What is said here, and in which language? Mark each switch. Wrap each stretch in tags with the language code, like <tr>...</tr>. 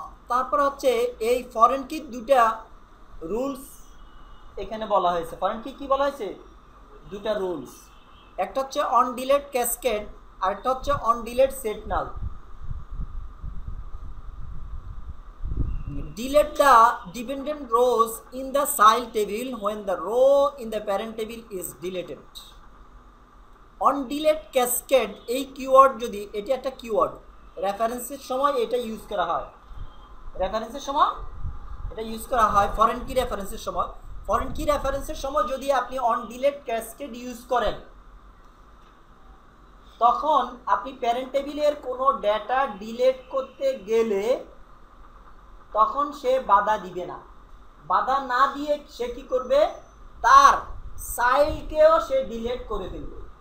<bn>তারপর হচ্ছে এই ফরেন কির দুটা রুলস এখানে বলা হয়েছে, ফরেন কি কী বলা হয়েছে দুটা রুলস, একটা হচ্ছে অন ডিলেট ক্যাসকেড আর একটা হচ্ছে on delete set null.</bn> <en>delete the dependent rows in the child table when the row in the parent table is deleted.</en> <bn>On delete cascade ei keyword jodi eti ekta keyword reference er shomoy eta use kara hoy reference er shomoy eta use kara hoy foreign key reference er shomoy foreign key reference er shomoy jodi apni on delete cascade use koren tokhon apni parent table er kono data delete korte gele তখন সে বাধা দিবে না বাধা না দিয়ে সে কি করবে তার চাইল্ডকেও সে ডিলিট করে দিবে</bn>